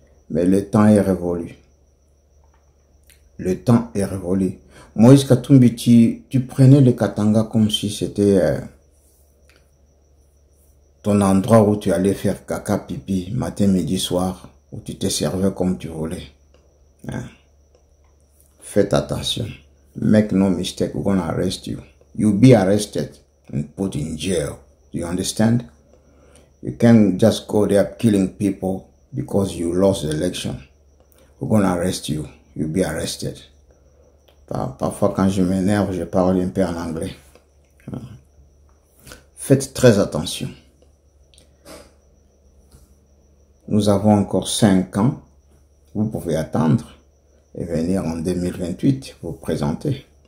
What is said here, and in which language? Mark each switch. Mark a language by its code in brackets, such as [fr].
[fr] Mais le temps est révolu. Le temps est révolu. Moïse Katumbi, tu prenais le Katanga comme si c'était ton endroit où tu allais faire caca, pipi, matin, midi, soir, où tu te servais comme tu voulais. Hein? Faites attention. [en] Make no mistake, we're gonna arrest you. You'll be arrested and put in jail. Do you understand? You can't just go there killing people. Because you lost the election, we're gonna arrest you. You'll be arrested. [fr] Parfois, quand je m'énerve, je parle un peu en anglais. Faites très attention. Nous avons encore 5 ans. Vous pouvez attendre et venir en 2028 vous présenter.